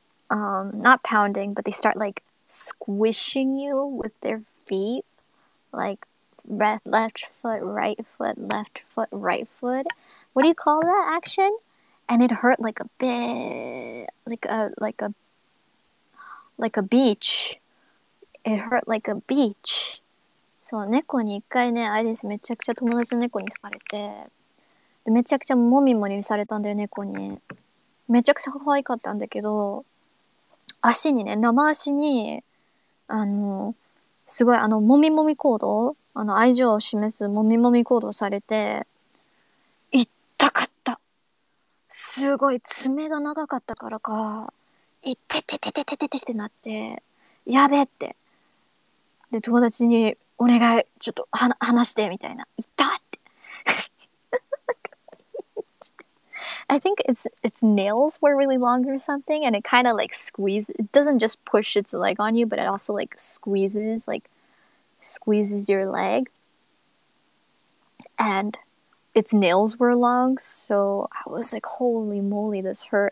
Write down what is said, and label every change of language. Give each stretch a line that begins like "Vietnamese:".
English: Not pounding, but they start like squishing you with their feet, like left foot, right foot. What do you call that action? And it hurt like a bit, like a beach. It hurt like a beach.
Japanese: So, 猫に一回ね、アイリスめちゃくちゃ友達の猫に好かれて、でめちゃくちゃもみもみされたんだよ猫に。めちゃくちゃ可愛かったんだけど、足にね、生足に、すごい、もみもみ行動、愛情を示すもみもみ行動されて、痛かった。すごい、爪が長かったからか、いっててててててててなって、やべって。で、友達に、お願い、ちょっと、話して、みたいな。痛っって。
English: I think its nails were really long or something, and it kind of like squeezes. It doesn't just push its leg on you, but it also like squeezes your leg. And its nails were long, so I was like, holy moly, this hurt.